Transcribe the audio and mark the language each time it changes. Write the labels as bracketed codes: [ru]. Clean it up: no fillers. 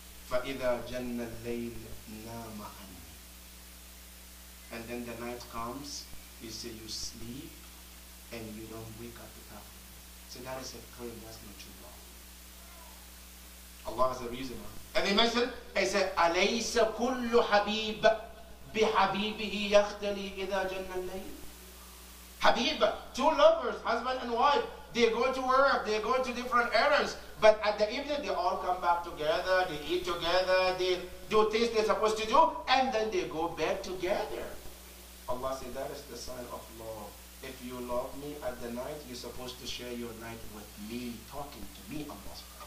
[ar] فَإِذَا جَنَّ اللَّيْلِ نَامَ عَنِّي. [en] And then the night comes, you say you sleep, and you don't wake up to that. So that is a claim, that's not true love. Allah has a reason. And he mentioned, he said, [ar] أَلَيْسَ كُلُّ حَبِيبَ بِحَبِيبِهِ يَخْتَلِي إِذَا جَنَّ اللَّيْلِ. [en] Habib, two lovers, husband and wife, they go to work, they go to different errands, but at the evening they all come back together, they eat together, they do things they're supposed to do, and then they go back together. Allah said, that is the sign of love. If you love me at the night, you're supposed to share your night with me, talking to me, Allah.